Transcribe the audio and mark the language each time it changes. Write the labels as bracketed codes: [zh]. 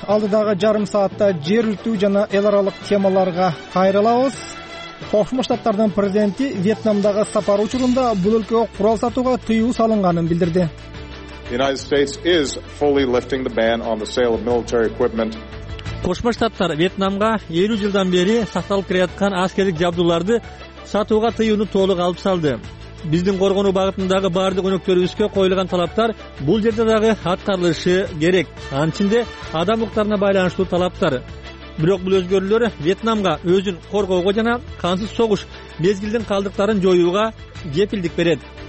[ky] Алдыдагы жарым саатта жергилктүү жана эл аралык темаларга кайрылабыз. Кошмо Штаттардын президенти Вьетнамдагы сапары учурунда бул өлкөгө курал сатууга тыюу салынганын билдирди. [en] The United States is fully lifting the ban on the sale of military equipment. [ky] Кошмо Штаттар Вьетнамга 50 жылдан бери сакталып келаткан аскерлик жабдууларды сатууга тыюуну толук алып салды. Биздин коргонуу багытындагы бардык өнөктөрүбүзгө коюлган талаптар бул жерде дагы аткарылышы керек. Анын ичинде адам укуктарына байланыштуу талаптар. Бирок бул өзгөрүүлөр Вьетнамга өзүн коргоого жана кансыз согуш мезгилдин калдыктарын жоюуга кепилдик берет.